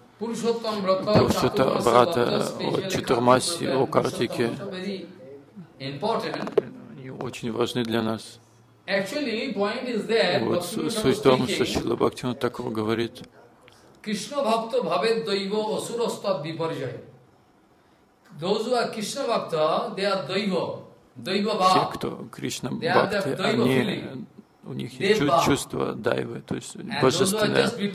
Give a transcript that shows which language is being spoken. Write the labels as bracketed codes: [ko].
[ru] Пурушотта Врата о Чатурмасе, о Картике. Они очень важны для нас. Вот суть в том, что Шрила Бхактина такого говорит. [sa] Кришна Бхакта Бхавет Дайва Асураста Випаржай. [en] Those who are Krishna Bhakta, they are Daiva. [ru] Те, кто Кришна Бхакти, они, у них есть чувство дайвы, то есть божественное.